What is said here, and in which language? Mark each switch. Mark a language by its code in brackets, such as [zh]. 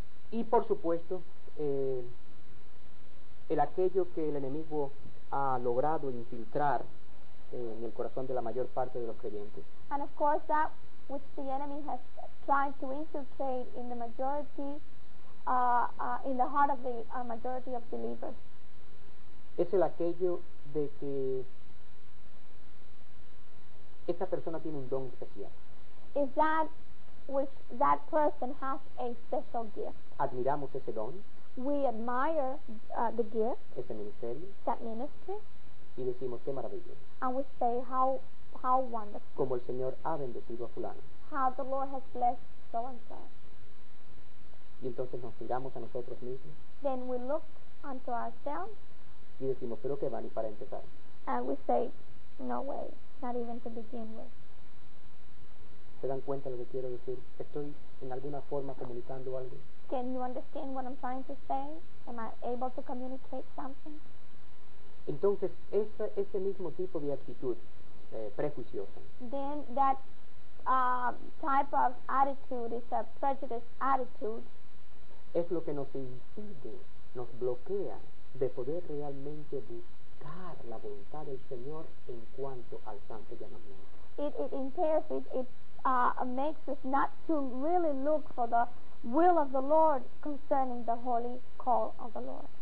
[es] Y por supuesto, el aquello que el enemigo ha logrado infiltrar en el corazón de la mayor parte de los creyentes. [en] And of course, that which the enemy has tried to infiltrate in the majority, in the heart of the majority of believers. [es] Es el aquello de que esta persona tiene un don especial. [en] Is that which that person has a special gift. [es] Admiramos ese don. [en] We admire the gift. [es] Ese ministerio. [en] That ministry. [es] Y decimos qué maravilloso. [en] And we say how wonderful. [es] Como el Señor ha bendecido a fulano. [en] How the Lord has blessed so and so. [es] Y entonces nos miramos a nosotros mismos. [en] Then we look unto ourselves. [es] Y decimos pero qué va ni para empezar. [en] And we say no way, not even to begin with. [es] ¿Se dan cuenta de lo que quiero decir? Estoy en alguna forma comunicando algo. [en] Can you understand what I'm trying to say? Am I able to communicate something? [es] Entonces, ese mismo tipo de actitud prejuiciosa. [en] Then that type of attitude is a prejudiced attitude. [es] Es lo que nos impide, nos bloquea de poder realmente buscar la voluntad del Señor en cuanto al santo llamamiento. [en] It makes us not to really look for the will of the Lord concerning the holy call of the Lord.